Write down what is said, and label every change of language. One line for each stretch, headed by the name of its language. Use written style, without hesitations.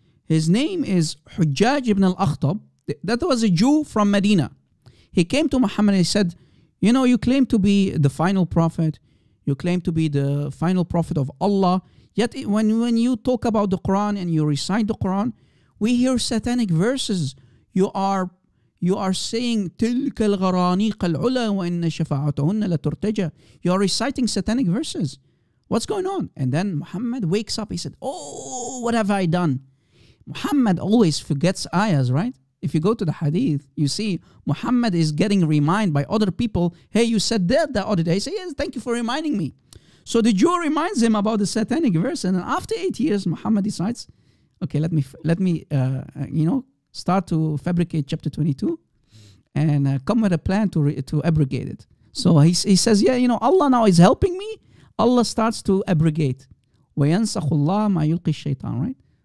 English: His name is Hujjaj ibn al-Akhtab. That was a Jew from Medina. He came to Muhammad and said, you know, you claim to be the final prophet. You claim to be the final prophet of Allah. Yet when you talk about the Quran and you recite the Quran, we hear satanic verses. You are saying
Arabic: تِلْكَ الْغَرَانِيقَ الْعُلَى وَإِنَّ شَفَاعَتُهُنَّ لَتُرْتَجَى.
English: You are reciting satanic verses. What's going on? And then Muhammad wakes up. He said, oh, what have I done? Muhammad always forgets ayahs, right? If you go to the hadith, you see Muhammad is getting reminded by other people. Hey, you said that the other day. He said, yes, thank you for reminding me. So the Jew reminds him about the satanic verse. And then after 8 years, Muhammad decides, okay, let me start to fabricate chapter 22 and come with a plan to abrogate it. So he says, yeah, you know, Allah now is helping me. Allah starts to abrogate.
Arabic: وَيَنْسَخُ اللَّهَ مَا يُلْقِي الشَّيْطَانِ,
English: right?